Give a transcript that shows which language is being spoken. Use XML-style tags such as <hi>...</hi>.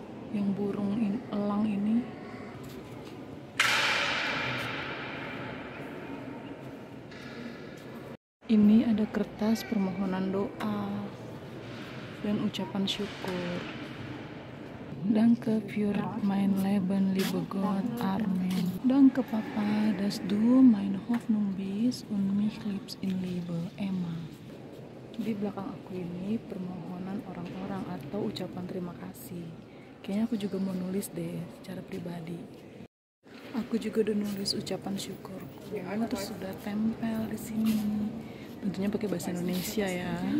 <id>Yang burung elang ini. Ini ada kertas permohonan doa dan ucapan syukur.</id> <de>Danke für mein Leben, liebe Gott, Amen. Danke Papa, dass du meine Hoffnung bist und mich liebst in Liebe, Emma.</de> <id>Di belakang aku ini permohonan orang-orang atau ucapan terima kasih. Kayaknya aku juga mau nulis deh secara pribadi. Aku juga udah nulis ucapan syukurku. Ya, terus sudah tempel di sini. Tentunya pakai bahasa Indonesia ya.</id>